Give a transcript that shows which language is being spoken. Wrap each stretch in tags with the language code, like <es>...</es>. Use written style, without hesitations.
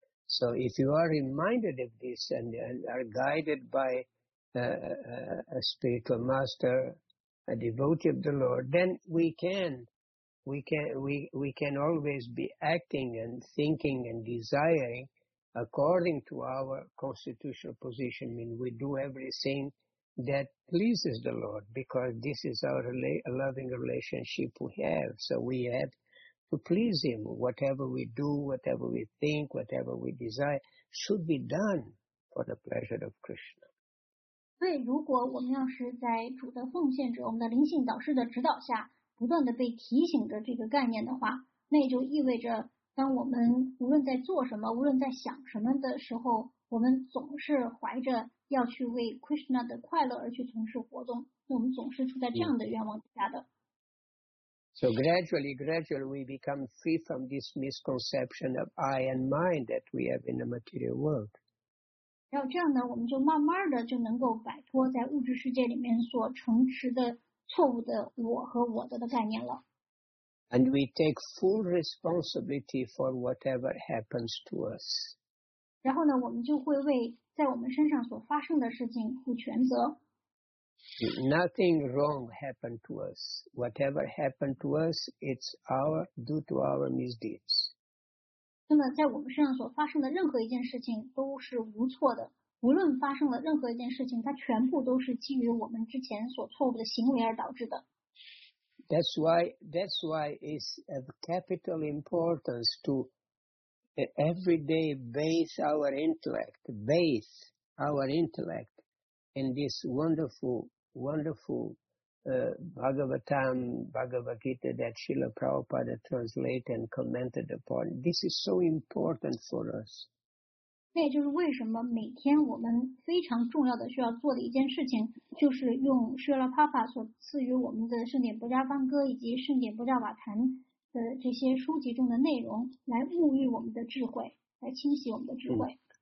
<en>So if you are reminded of this and are guided by a spiritual master, a devotee of the Lord, then we can always be acting and thinking and desiring according to our constitutional position. I mean, we do everything that pleases the Lord, because this is our loving relationship we have. So we have to please Him. Whatever we do, whatever we think, whatever we desire, should be done for the pleasure of Krishna.</en> <zh>所以，如果我们要是在主的奉献者、我们的灵性导师的指导下，不断的被提醒着这个概念的话，那也就意味着，当我们无论在做什么、无论在想什么的时候，我们总是怀着要去为 Krishna 的快乐而去从事活动，我们总是处在这样的愿望底下的。</zh> <en>So gradually, we become free from this misconception of I and mine that we have in the material world.</en> <zh>然后这样呢，我们就慢慢的就能够摆脱在物质世界里面所承持的错误的我和我的概念了。</zh> <en>And we take full responsibility for whatever happens to us.</en> <zh>然后呢，我们就会为在我们身上所发生的事情负全责。</zh> <en>Nothing wrong happened to us. Whatever happened to us, it's our due to our misdeeds.</en> <zh>那么在我们身上所发生的任何一件事情都是无错的，无论发生了任何一件事情，它全部都是基于我们之前所错误的行为而导致的。</zh> <en>That's why it's of capital importance to every day base our intellect in this wonderful Bhagavatam, Bhagavad Gita that Srila Prabhupada translated and commented upon. This is so important for us.</en> <zh>那也就是为什么每天我们非常重要的需要做的一件事情，就是用 Srila Prabhupada 所赐予我们的圣典不加方歌以及圣典不加瓦坛的这些书籍中的内容来沐浴我们的智慧，来清洗我们的智慧。</zh>